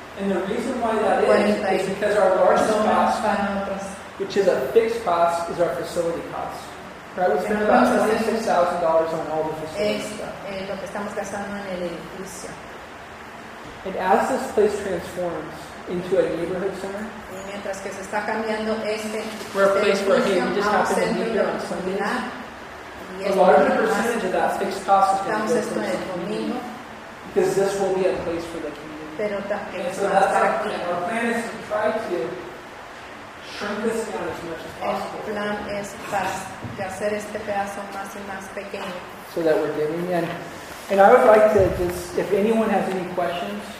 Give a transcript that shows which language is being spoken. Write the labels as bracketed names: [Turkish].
[English] And the reason why that is because our largest cost, which is a fixed cost, is our facility cost. Right? We spend about $26,000 on all the facilities. [Spanish] Es lo que estamos gastando en el edificio. [English] And as this place transforms into a neighborhood center, [Spanish] mientras que se está cambiando este, [English] we're a place where we just happen to be here on Sundays. A larger percentage of that fixed cost is going to go to the community, because this will be a place for the community. [Spanish] Pero [English] and so that's our plan. Our plan is to try to shrink this down as much as possible. [Spanish] El plan es para hacer este pedazo más y más pequeño. [English] So that we're giving in. And I would like to just, if anyone has any questions,